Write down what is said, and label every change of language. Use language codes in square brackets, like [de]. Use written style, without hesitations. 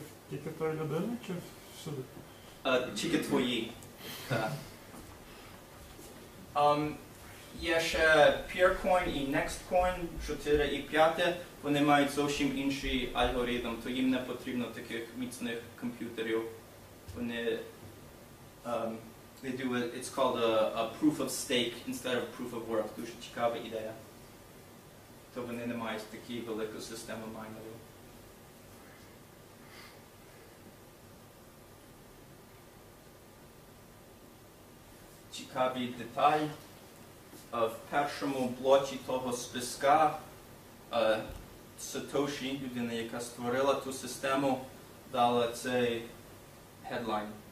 [uk] Тільки твої людини чи всюди? Тільки твої. Є ще PeerCoin і NextCoin, 4 і 5, вони мають зовсім інший алгоритм, то їм не потрібно таких міцних комп'ютерів. Вони, [en] they do a, it's called a proof of stake instead of proof of work, [uk] дуже цікава ідея. То вони не мають такі велику систему майнерів. Цікавий деталь. В першому блоці того списка Сатоші, людина, яка створила ту систему, дала цей headline.